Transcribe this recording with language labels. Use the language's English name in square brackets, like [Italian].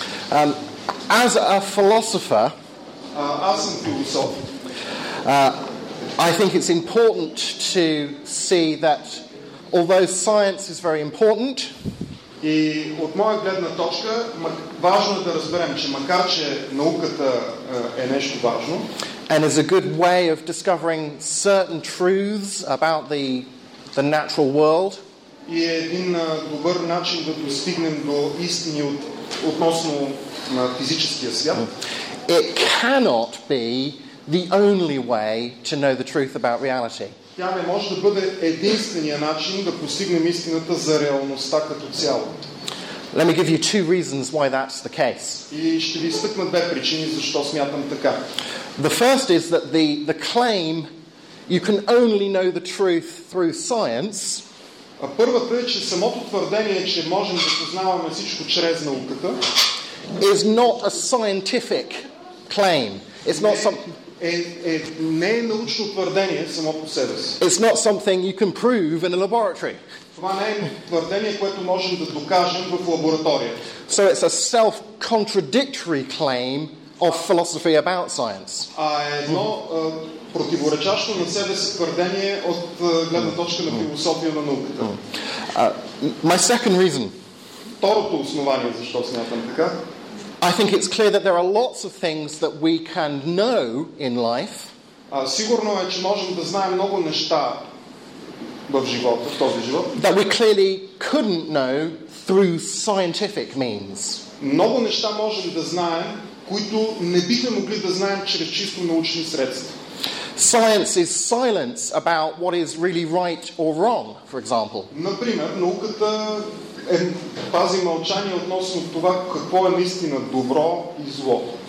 [English] As a philosopher, I think it's important to see that although science is very important, [Bulgarian] и от моя гледна точка, важно е да разберем, че макар че науката е нещо важно, [English] and is a good way of discovering certain truths about the natural world. [Bulgarian] И е един добър начин да достигнем до истини относно на физическия свят. [English] It cannot be the only way to know the truth about reality. [Bulgarian] Тя не може да бъде единственият начин да постигнем истината за реалността като цяло. [English] Let me give you two reasons why that's the case. [Bulgarian] И ще ви изтъкна две причини защо смятам така. [English] The first is that the claim you can only know the truth through science. [Bulgarian] А първата е, че самото твърдение, че можем да познаваме всичко чрез науката, [English] is not a scientific claim. It's not something. [Bulgarian] Не е научно твърдение само по себе си. [English] It's not something you can prove in a laboratory. [Bulgarian] Това не е твърдение, което можем да докажем в лаборатория. [English] So it's a self-contradictory claim of philosophy about science. [Bulgarian] А е едно противоречащо на себе си твърдение от гледна точка на философия на науката. [English] My second reason. [Bulgarian] Второто основание защо смятам така. [English] I think it's clear that there are lots of things that we can know in life. [Bulgarian] Сигурно е, че можем да знаем много неща в живота, в този живот. [English] That we clearly couldn't know through scientific means. [Bulgarian] Много неща можем да знаем, които не бихме могли да знаем чрез чисто научни средства. [English] Science is silence about what is really right or wrong, for example. [Bulgarian] Например, науката пази мълчание относно това какво е наистина добро и зло.